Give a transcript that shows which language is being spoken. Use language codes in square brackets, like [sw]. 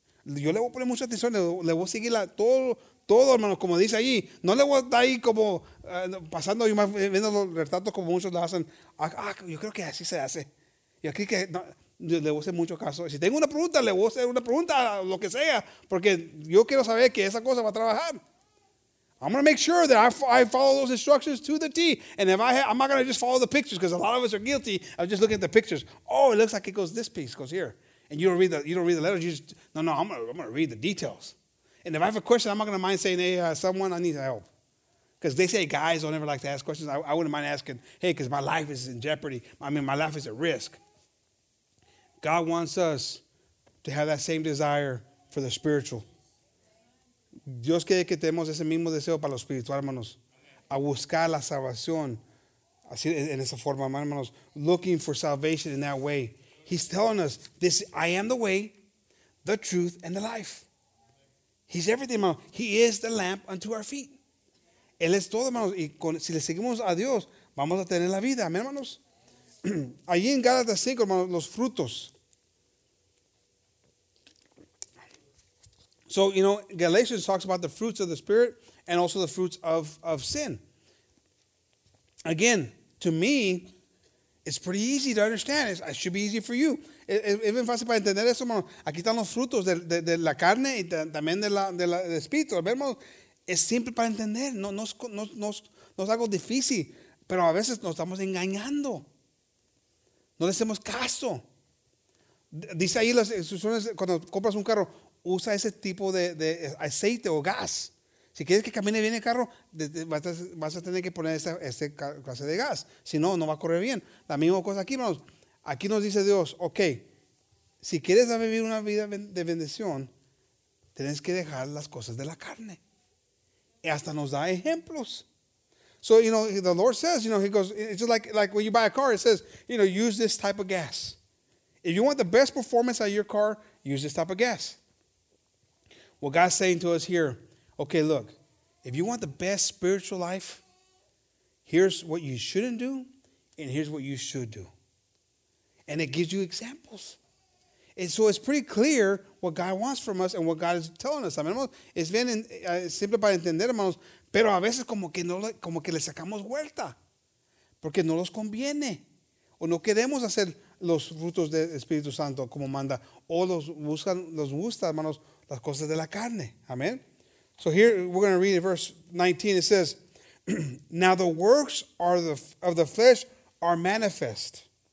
[es] Yo le voy a poner mucha atención, le voy a seguir todo, hermano, como dice allí. No le voy a estar ahí como pasando y viendo los retratos como muchos lo hacen. Yo creo que así se hace. Y aquí que... No, le voy a hacer mucho caso. Si tengo una pregunta, le voy a hacer una pregunta, lo que sea, porque yo quiero saber que esa cosa va a trabajar. [en] I'm going to make sure that I follow those instructions to the T. And if I'm not going to just follow the pictures, because a lot of us are guilty of just looking at the pictures. Oh, it looks like it goes this piece, goes here. And you don't read the letters. You just, no, I'm going to read the details. And if I have a question, I'm not going to mind saying, hey, someone, I need help. Because they say guys don't ever like to ask questions. I wouldn't mind asking, hey, because my life is in jeopardy. I mean, my life is at risk. God wants us to have that same desire for the spiritual. [es] Dios quiere que tengamos ese mismo deseo para lo espiritual, hermanos. A buscar la salvación. Así, en esa forma, hermanos. [en] Looking for salvation in that way. He's telling us, this: I am the way, the truth, and the life. He's everything, hermanos. He is the lamp unto our feet. [es] Él es todo, hermanos. Y si le seguimos a Dios, vamos a tener la vida. Amén, hermanos. Allí en Gálatas 5, hermanos, los frutos. [en] So, you know, Galatians talks about the fruits of the Spirit and also the fruits of sin. Again, to me, it's pretty easy to understand. It should be easy for you. Even [es] fácil para entender eso, hermanos. Aquí están los frutos de la carne y también del espíritu. Hermanos, es simple para entender. No es algo difícil. Pero a veces nos estamos engañando. No le hacemos caso. Dice ahí las instrucciones cuando compras un carro, usa ese tipo de aceite o gas. Si quieres que camine bien el carro, vas a tener que poner esta clase de gas. Si no, no va a correr bien. La misma cosa aquí, hermanos. Aquí nos dice Dios, ok, si quieres vivir una vida de bendición, tienes que dejar las cosas de la carne. Y hasta nos da ejemplos. [en] So, you know, the Lord says, you know, he goes, it's just like when you buy a car, it says, you know, use this type of gas. If you want the best performance out of your car, use this type of gas. Well, God's saying to us here, okay, look, if you want the best spiritual life, here's what you shouldn't do, and here's what you should do. And it gives you examples. And so it's pretty clear what God wants from us and what God is telling us. [es] Es bien simple para entender, hermanos, pero a veces como que le sacamos vuelta porque no nos conviene o no queremos hacer los frutos del Espíritu Santo como manda o los gusta, hermanos, las cosas de la carne. [en] Amen. So here we're going to read verse 19. It says, now the works of the flesh are manifest.